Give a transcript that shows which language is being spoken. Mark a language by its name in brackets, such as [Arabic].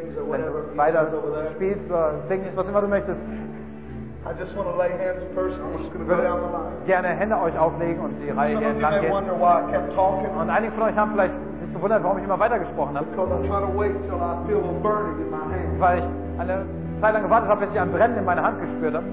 [German] Wenn du weiter spielst oder singst, was immer du möchtest, [English] I just want to lay hands first. I'm just going to go down the line. [German] Gerne Hände euch auflegen und die Reihe [English] some [German] entlang gehen. [English] Wonder why I kept talking. [German] Und einige von euch haben vielleicht sich gewundert, warum ich immer weitergesprochen habe. [English] Because I'm trying to wait till I feel a burning in my hand. [German] Weil ich eine Zeit lang gewartet habe, bis ich ein Brennen in meiner Hand gespürt habe.